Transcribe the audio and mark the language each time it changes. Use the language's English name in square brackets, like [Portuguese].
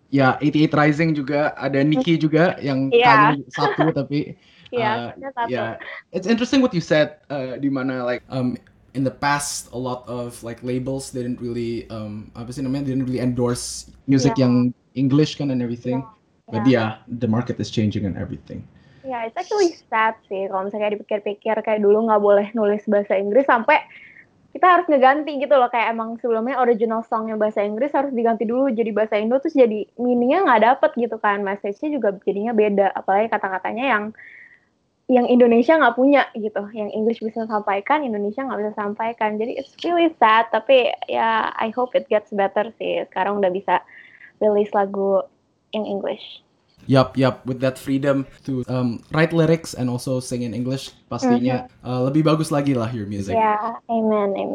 [Indonesian] Ya, 88 Rising juga ada Nikki juga yang kali satu tapi [English] Yeah, it's interesting what you said. [Indonesian] Dimana [English] like in the past, a lot of like labels didn't really endorse music yang English kan and everything. Yeah. But yeah, the market is changing and everything. Yeah, it's actually sad sih. [Indonesian] Kalau misalnya dipikir-pikir kayak dulu nggak boleh nulis bahasa Inggris sampai kita harus ngeganti gitu loh. Kayak emang sebelumnya original songnya bahasa Inggris harus diganti dulu jadi bahasa Indo, terus jadi meaningnya nggak dapet gitu kan. Message-nya juga jadinya beda. Apalagi kata-katanya yang Indonesia nggak punya gitu, yang English bisa sampaikan, Indonesia nggak bisa sampaikan. Jadi [English] it's really sad, tapi ya yeah, I hope it gets better sih. [Indonesian] Sekarang udah bisa release lagu in English. [English] Yup. With that freedom to write lyrics and also sing in English, [Indonesian] pastinya lebih bagus lagi lah [English] your music. Yeah, amen.